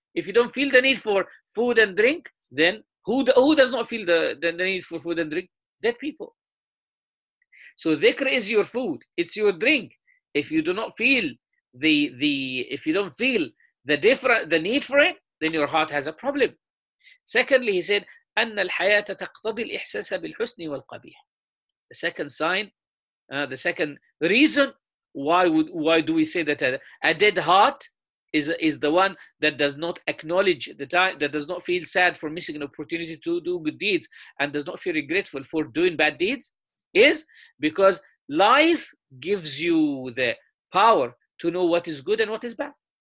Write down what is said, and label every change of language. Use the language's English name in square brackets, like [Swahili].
[English] If you don't feel the need for food and drink, then who does not feel the need for food and drink? Dead people. So dhikr is your food, it's your drink. If you do not feel the need for it, then your heart has a problem. Secondly, he said, [Arabic] أن الحياة تقتضي الإحساس بالحسن والقبيح. [English] The second sign, the second reason why do we say that a dead heart is the one that does not acknowledge the time, that does not feel sad for missing an opportunity to do good deeds, and does not feel regretful for doing bad deeds, is because life gives you the power to know what is good and what is bad.